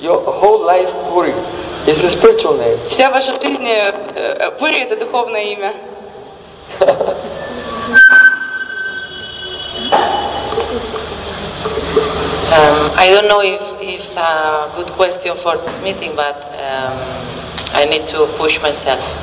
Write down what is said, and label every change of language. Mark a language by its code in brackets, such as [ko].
[en] Your whole life, Puri, is a spiritual name. [ru] Вся ваша жизнь, Puri, это духовное имя. [en] I don't know if it's a good question for this meeting, but I need to push myself.